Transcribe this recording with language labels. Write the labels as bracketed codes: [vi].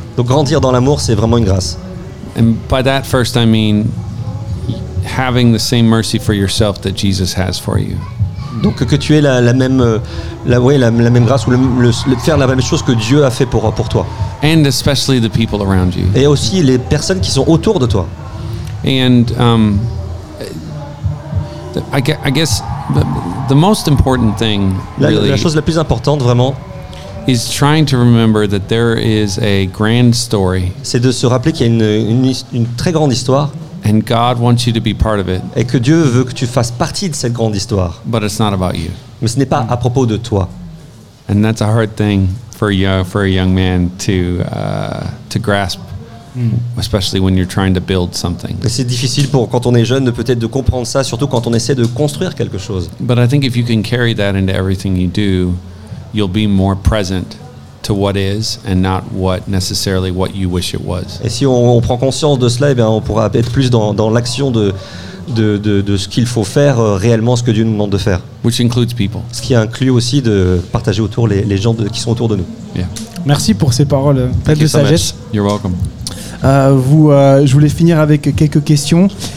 [fr] Donc grandir dans l'amour, c'est vraiment une grâce. [en] And by that first I mean having the same mercy for yourself that Jesus has for you. [fr] Donc que tu aies la même grâce, ou le faire la même chose que Dieu a fait pour toi. [en] And especially the people around you. [fr] Et aussi les personnes qui sont autour de toi. [en] And I guess the most important thing, really, [fr] la chose la plus importante vraiment, [en] is trying to remember that there is a grand story. [fr] C'est de se rappeler qu'il y a une très grande histoire. [en] And God wants you to be part of it. [fr] Et que Dieu veut que tu fasses partie de cette grande histoire. [en] But it's not about you. [fr] Mais ce n'est pas à propos de toi. [en] And that's a hard thing for a young man to grasp, especially when you're trying to build something. [fr] Et c'est difficile pour quand on est jeune de peut-être de comprendre ça, surtout quand on essaie de construire quelque chose. [en] But I think if you can carry that into everything you do, you'll be more present to what is and not what necessarily what you wish it was. [fr] Et si on prend conscience de cela, eh bien on pourra être plus dans l'action de ce qu'il faut faire réellement, ce que Dieu nous demande de faire. [en] Which includes people. [fr] Ce qui inclut aussi de partager autour les gens qui sont autour de nous. [en] Yeah. [fr] Merci pour ces paroles pleines de sagesse. [en] So you're welcome. [fr] Je voulais finir avec quelques questions.